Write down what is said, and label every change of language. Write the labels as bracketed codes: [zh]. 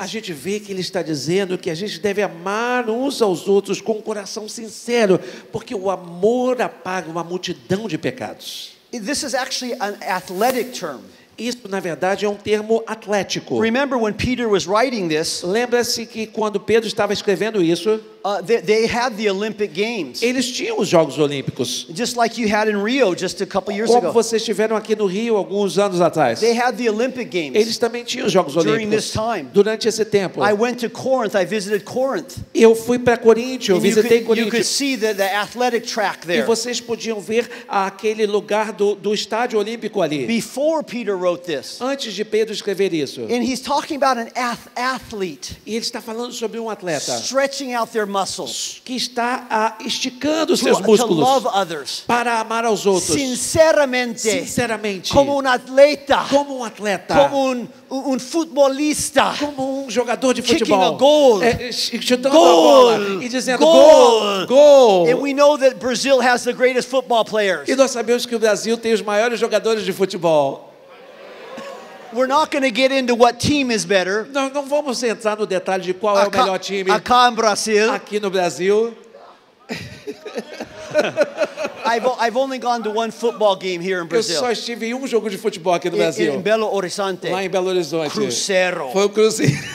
[pt] A gente vê que ele está dizendo que a gente deve amar uns aos outros com um coração sincero, porque o amor apaga uma multidão de pecados. [en] This is actually an athletic term. [pt] Isso, na verdade, é um termo atlético. [en] Remember when Peter was writing this, [pt] lembra-se que quando Pedro estava escrevendo isso, [en] they had the Olympic Games. [pt] Eles tinham os Jogos Olímpicos. [en] Just like you had in Rio just a couple years [pt] como Vocês tiveram aqui no Rio alguns anos atrás. [en] They had the Olympic Games. [pt] Eles também tinham os Jogos [en] during [pt] Olímpicos. [en] This time. [pt] Durante esse tempo. [en] I went to Corinth, I visited Corinth. [pt] Eu fui para Corinto, visitei Corinto. [en] You could see the athletic track there. [pt] E vocês podiam ver aquele lugar do estádio olímpico ali. [en] Before Peter wrote this. [pt] Antes de Pedro escrever isso. [en] And he's talking about an athlete. [pt] E ele está falando sobre um atleta. [en] Stretching out their muscles. [pt] Que está esticando seus músculos. [en] To love others. [pt] Para amar aos outros. Sinceramente. Sinceramente. Como um atleta. Como um atleta. Como um futebolista. Como um jogador de [en] kicking [pt] futebol. [en] A goal. [pt] Chutando goal. A bola. E dizendo goal. [en] And we know that Brazil has the greatest football players. [pt] E nós sabemos que o Brasil tem os maiores jogadores de futebol. [en] We're not going to get into what team is better. [pt] Não vamos entrar no detalhe de qual é o melhor time. [es] Acá em Brasil. [pt] Aqui no Brasil. [en] I've only gone to one football game here in Brazil. [pt] Eu só estive em um jogo de futebol aqui no Brasil. Em Belo Horizonte. Lá em Belo Horizonte. Cruzeiro. Foi o Cruzeiro.